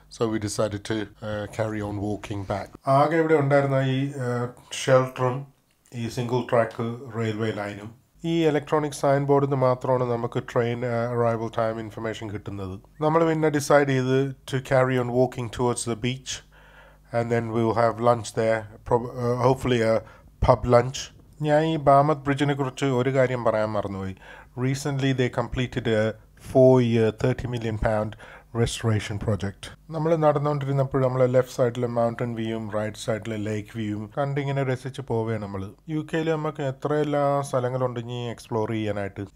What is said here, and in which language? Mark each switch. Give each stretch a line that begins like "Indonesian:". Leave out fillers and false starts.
English: So we decide to carry on walking back.
Malayalam: ആകെ ഇവിടെ ഉണ്ടായിരുന്ന ഈ ഷെൽട്ടറും ഈ സിംഗിൾ ട്രാക്ക് റെയിൽവേ ലൈനും ഈ ഇലക്ട്രോണിക് സൈൻ ബോർഡിൽ നിന്ന് മാത്രമാണ് നമുക്ക് ട്രെയിൻ അറൈവൽ ടൈം ഇൻഫർമേഷൻ കിട്ടുന്നത്. നമ്മൾ പിന്നെ ഡിസൈഡ് ചെയ്ത്
English: To carry on walking towards the beach. And then we will have lunch there, hopefully a pub lunch.
Malayalam: ഞാൻ ഈ ബാമത്ത് ബ്രിഡ്ജിനെ കുറിച്ച് ഒരു കാര്യം പറയാൻ മറന്നുപോയി.
English: Recently they completed a 4-year £30 million restoration project.
Malayalam: നമ്മൾ നടന്നുകൊണ്ടിരുന്നപ്പോൾ നമ്മൾ ലെഫ്റ്റ് സൈഡിലെ മൗണ്ടൻ വ്യൂവും റൈറ്റ് സൈഡിലെ ലേക്ക് വ്യൂവും കണ്ടിങ്ങനെ രസിച്ച് പോവുകയാണ് നമ്മൾ. യു കെയിൽ നമുക്ക് എത്രയെല്ലാം സ്ഥലങ്ങളുണ്ട് ഇനി എക്സ്പ്ലോർ ചെയ്യാനായിട്ട്.